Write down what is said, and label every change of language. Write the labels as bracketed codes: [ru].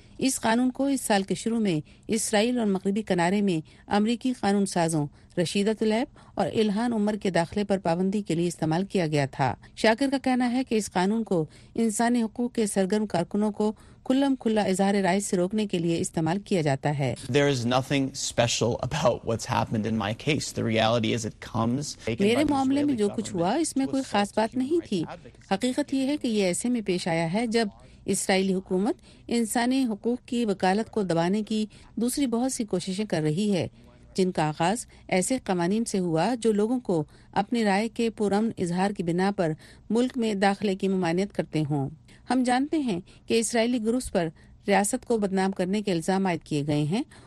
[ur] اس قانون کو اس سال کے شروع میں اسرائیل اور مغربی کنارے میں امریکی قانون سازوں رشیدہ طلیب اور الہان عمر کے داخلے پر پابندی کے لیے استعمال کیا گیا تھا۔ شاکر کا کہنا ہے کہ اس قانون کو انسانی حقوق کے سرگرم کارکنوں کو کھلم کھلا اظہار رائے سے روکنے کے لیے استعمال کیا جاتا ہے۔ [en] There is nothing special about what's happened in my case. The reality is it comes. [ur] میرے معاملے میں جو کچھ ہوا اس میں کوئی خاص بات نہیں تھی۔ حقیقت یہ ہے کہ یہ ایسے میں پیش آیا ہے جب اسرائیلی حکومت انسانی حقوق کی وکالت کو دبانے کی دوسری بہت سی کوششیں کر رہی ہے، جن کا آغاز ایسے قوانین سے ہوا جو لوگوں کو اپنی رائے کے پرامن اظہار کی بنا پر ملک میں داخلے کی ممانعت کرتے ہوں۔ ہم جانتے ہیں کہ اسرائیلی گروپس پر ریاست کو بدنام کرنے کے الزام عائد کیے گئے ہیں